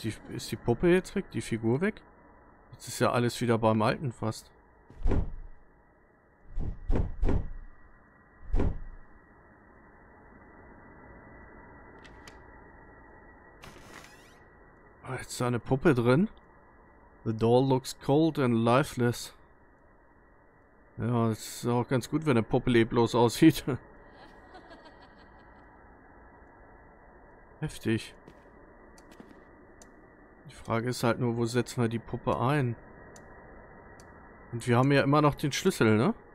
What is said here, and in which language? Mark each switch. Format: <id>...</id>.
<de>Ist die Puppe jetzt weg? Die Figur weg? Jetzt ist ja alles wieder beim Alten fast. Jetzt ist eine Puppe drin.</de> <en>The doll looks cold and lifeless.</en> <de>Ja, es ist auch ganz gut, wenn eine Puppe leblos aussieht. Heftig. Die Frage ist halt nur, wo setzen wir die Puppe ein? Und wir haben ja immer noch den Schlüssel, ne?</de>